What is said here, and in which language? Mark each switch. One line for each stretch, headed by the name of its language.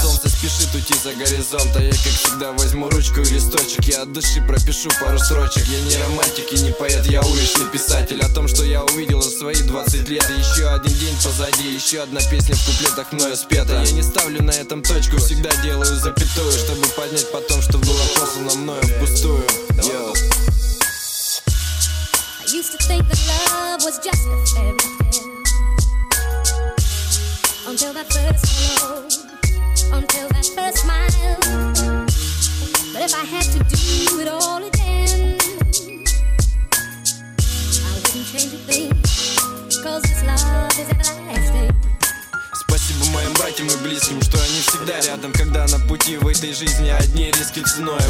Russian: Солнце спешит уйти за горизонт, а я, как всегда, возьму ручку и листочек, я от души пропишу пару строчек. Я не романтик и не поэт, я уличный писатель, о том, что я увидел за свои 20 лет. Еще один день позади, еще одна песня в куплетах мною спета. Я не ставлю на этом точку, всегда делаю запятую, чтобы поднять потом, что было послано мною впустую.
English: Yo. I used to think that love was just a fairy tale, until that first hello, until that first smile. But if I had to do it all again,
Russian: спасибо моим братьям и близким, что они всегда рядом, когда на пути в этой жизни одни риски ценой.